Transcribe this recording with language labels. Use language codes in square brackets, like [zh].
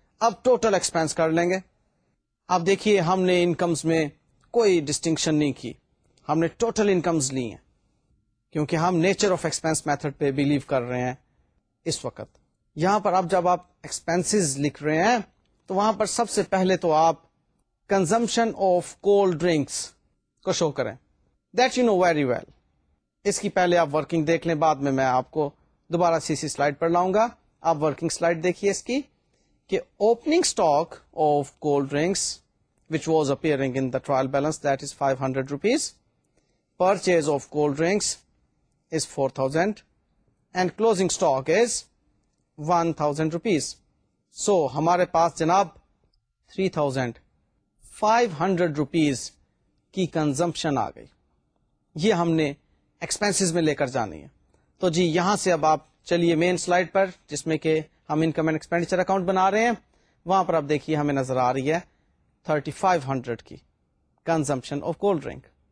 [ur] اب total expense کر لیں گے. اب دیکھیے ہم نے انکمز میں کوئی ڈسٹنکشن نہیں کی, ہم نے ٹوٹل انکمز لی ہیں کیونکہ ہم نیچر آف ایکسپینس میتھڈ پہ بیلیو کر رہے ہیں اس وقت. یہاں پر اب جب آپ ایکسپینسز لکھ رہے ہیں تو وہاں پر سب سے پہلے تو آپ کنزمپشن آف کولڈ ڈرنکس کو شو کریں, [en] That you know very well. [ur] اس کی پہلے آپ ورکنگ دیکھ لیں, بعد میں آپ کو دوبارہ سی سی سلائڈ پر لاؤں گا. آپ ورکنگ سلائڈ دیکھیے اس کی, [en] Opening stock of cold drinks which was appearing in the trial balance that is 500 rupees, purchase of cold drinks is 4,000, and closing stock is 1,000 rupees. [ur] سو ہمارے پاس جناب 3,500 روپیز کی کنزمپشن آ گئی, یہ ہم نے ایکسپینسیز میں لے کر جانی ہے. تو جی یہاں سے اب آپ چلیے مین سلائڈ پر جس میں کہ ہم انکم اینڈ ایکسپینڈیچر اکاؤنٹ بنا رہے ہیں, وہاں پر آپ دیکھیے ہمیں نظر آ رہی ہے 3,500 کی کنزمپشن آف کولڈ ڈرنک.